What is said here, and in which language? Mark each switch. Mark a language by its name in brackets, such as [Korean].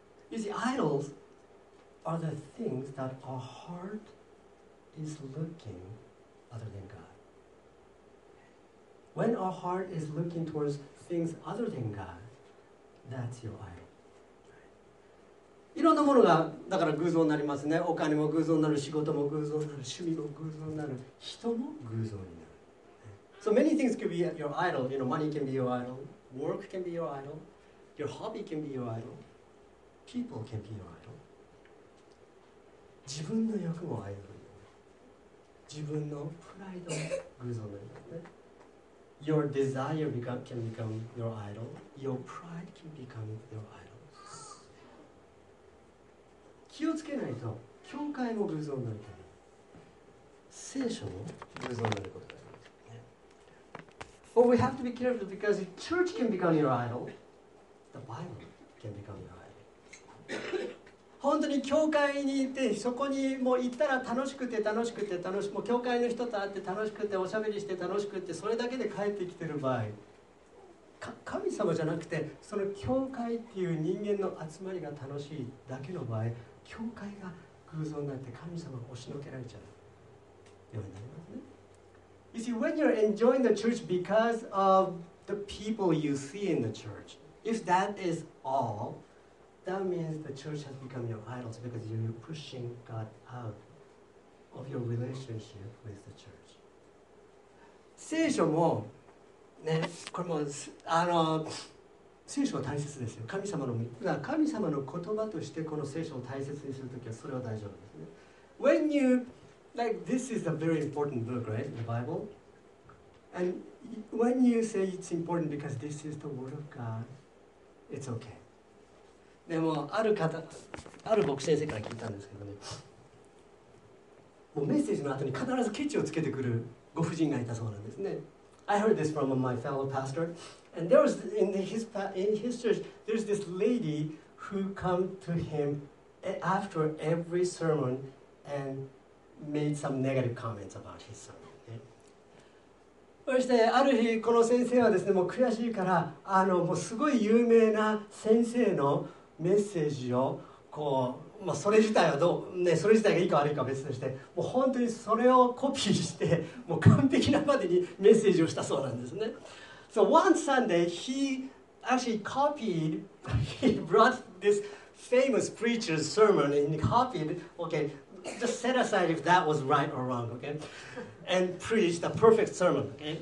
[English] You see, idols are the things that our heart is looking other than God. When our heart is looking towards things other than God, that's your idol. [Japanese] いろんなものがだから偶像になりますね。お金も偶像になる、仕事も偶像になる、趣味も偶像になる、人も偶像になる。 [English] So many things could be your idol. You know, money can be your idol. Work can be your idol. Your hobby can be your idol. People can be your idol. [Japanese] 自分の欲もアイドルになる。自分のプライドも偶像になる。 [English] Your desire can become your idol. Your pride can become your idol. [Japanese] 気をつけないと、教会も偶像になるから、聖書も偶像になることがあります。 [English] But we have to be careful because church can become your idol. The Bible can become your idol. [Japanese] 本当に教会に行ってそこにもう行ったら楽しくて楽しくて楽しく、もう教会の人と会って楽しくておしゃべりして楽しくてそれだけで帰ってきてる場合、神様じゃなくてその教会っていう人間の集まりが楽しいだけの場合、教会が偶像になって神様が押しのけられちゃうようになりますね。 [English] You see, when you're enjoying the church because of the people you see in the church, if that is allThat means the church has become your idols because you're pushing God out of your relationship with the church. [Japanese] 聖書もね、これもあの聖書は大切ですよ。神様の言葉としてこの聖書を大切にするときはそれは大丈夫ですね。 [English] When you Like this is a very important book, right? The Bible. And when you say it's important because this is the word of God, it's okay. [Japanese] でもある方、ある牧師先生から聞いたんですけどね。もうメッセージの後に必ずケチをつけてくるご婦人がいたそうなんですね。 [English] I heard this from my fellow pastor, and there was in his church there's this lady who come to him after every sermon and made some negative comments about his sermon. [Japanese] そしてある日この先生はですねもう悔しいからもうすごい有名な先生のメッセージをこう、まあ、それ自体はどうねそれ自体がいいか悪いか別としてもう本当にそれをコピーしてもう完璧なまでにメッセージをしたそうなんですね。 [English] So one Sunday he actually copied he brought this famous preacher's sermon and he copied okay just set aside if that was right or wrong okayAnd preach the perfect sermon.